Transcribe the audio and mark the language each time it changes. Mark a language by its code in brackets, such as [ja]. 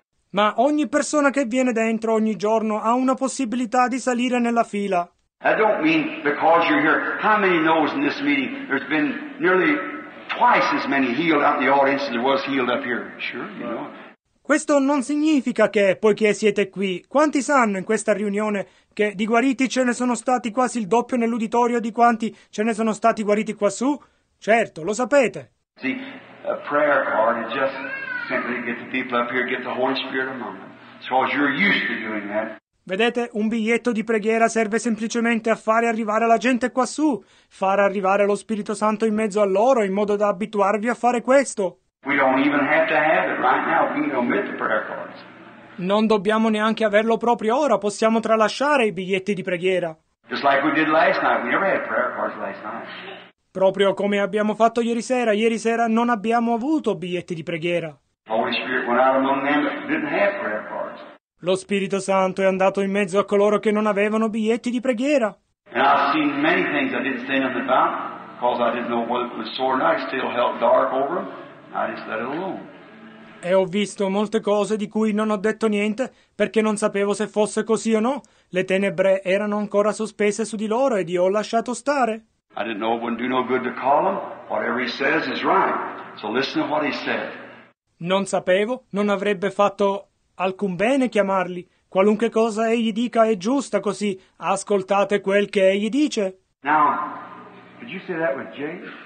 [it] Ma ogni persona che viene dentro ogni giorno ha una possibilità di salire nella fila. [en] I don't mean because you're here. How many knows in this meeting there's been nearly twice as many healed out in the audience as there was healed up here? Sure, you know. [it] Questo non significa che, poiché siete qui, quanti sanno in questa riunione che di guariti ce ne sono stati quasi il doppio nell'uditorio di quanti ce ne sono stati guariti quassù? Certo, lo sapete. [en] See, a prayer card is just simply to get the people up here, get the Holy Spirit among them. So as you're used to doing that. [it] Vedete, un biglietto di preghiera serve semplicemente a fare arrivare la gente quassù, far arrivare lo Spirito Santo in mezzo a loro in modo da abituarvi a fare questo. [en] We don't even have to have it right now. We can omit the prayer cards. [it] Non dobbiamo neanche averlo proprio ora. Possiamo tralasciare i biglietti di preghiera. [en] Just like we did last night. We never had prayer cards last night. [it] Proprio come abbiamo fatto ieri sera. Ieri sera non abbiamo avuto biglietti di preghiera. [en] The Holy Spirit went out among them that didn't have prayer cards. [it] Lo Spirito Santo è andato in mezzo a coloro che non avevano biglietti di preghiera. [en] And I've seen many things I didn't say nothing about because I didn't know whether it was sore or not. I still held dark over them. I just let it alone. [it] E ho visto molte cose di cui non ho detto niente perché non sapevo se fosse così o no. Le tenebre erano ancora sospese su di loro ed io ho lasciato stare. [en] I didn't know it wouldn't do no good to call him. Whatever he says is right. So listen to what he said. [it] Non sapevo, non avrebbe fatto alcun bene chiamarli. Qualunque cosa egli dica è giusta, così ascoltate quel che egli dice. [en] Now, did you say that with Jay?